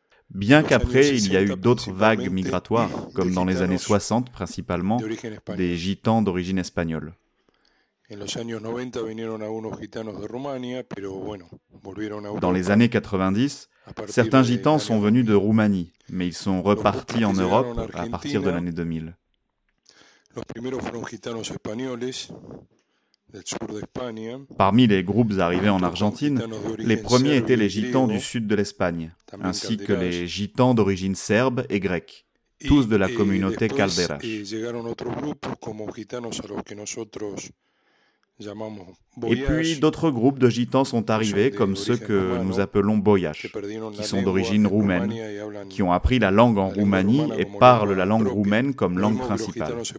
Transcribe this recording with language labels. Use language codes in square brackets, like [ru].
[fr] Bien qu'après il y a eu d'autres vagues migratoires, comme dans les années 60 principalement, des gitans d'origine espagnole. [es] En los años 90 vinieron algunos gitanos de Rumania, pero bueno, [fr] Dans les années 90, certains gitans sont venus de Roumanie, mais ils sont repartis en Europe à partir de l'année 2000. [es] Los primeros fueron gitanos españoles del sur de España. [fr] Parmi les groupes arrivés en Argentine, les premiers étaient les gitans du sud de l'Espagne, ainsi que les gitans d'origine serbe et grecque, tous de la communauté Calderas. [es] Llegaron otros grupos como gitanos a los que nosotros llamamos [fr] boyas. Et puis d'autres groupes de gitans sont arrivés, comme ceux que nous appelons boyash, qui sont d'origine roumaine, qui ont appris la langue en Roumanie et parlent la langue roumaine comme langue principale.